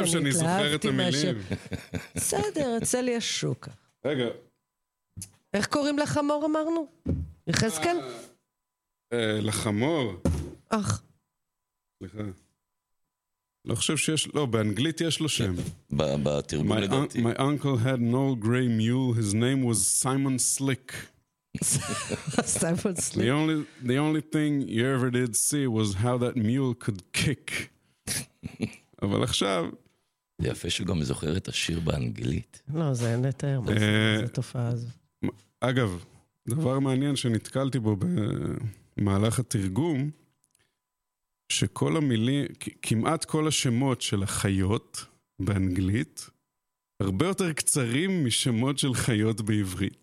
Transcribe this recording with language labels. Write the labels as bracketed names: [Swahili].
[Hebrew] אתה חושב שאני זוכר את המילים? בסדר, יצא לי השוקה. רגע. איך קוראים לחמור, אמרנו? יחזקאל? לחמור? אך. סליחה. לא חושב שיש, לא, באנגלית יש לו שם. בתרגום לדעתי. [English] My uncle had an old gray mule, his name was Simon Slick. Simon Slick. The only thing you ever did see was how that mule could kick. [Hebrew] אבל עכשיו... זה יפה שהוא גם זוכר את השיר באנגלית. לא, זה אין לתאר, מה זה התופעה הזו. אגב, דבר מעניין שנתקלתי בו במהלך התרגום, שכל המילים, כמעט כל השמות של החיות באנגלית, הרבה יותר קצרים משמות של חיות בעברית.